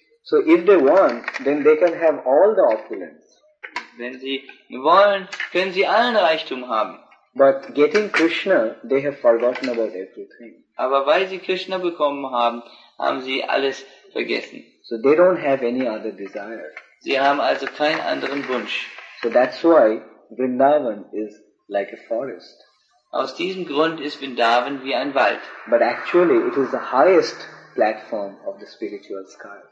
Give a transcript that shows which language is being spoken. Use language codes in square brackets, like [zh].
[en] So if they want, then they can have all the opulence. [de] Wenn sie wollen, können sie allen Reichtum haben. [en] But getting Krishna, they have forgotten about everything. [de] Aber weil sie Krishna bekommen haben, haben sie alles vergessen. [en] So they don't have any other desire. [de] Sie haben also keinen anderen Wunsch. [en] So that's why Vrindavan is like a forest. [de] Aus diesem Grund ist Vrindavan wie ein Wald. [en] But actually it is the highest platform of the spiritual sky.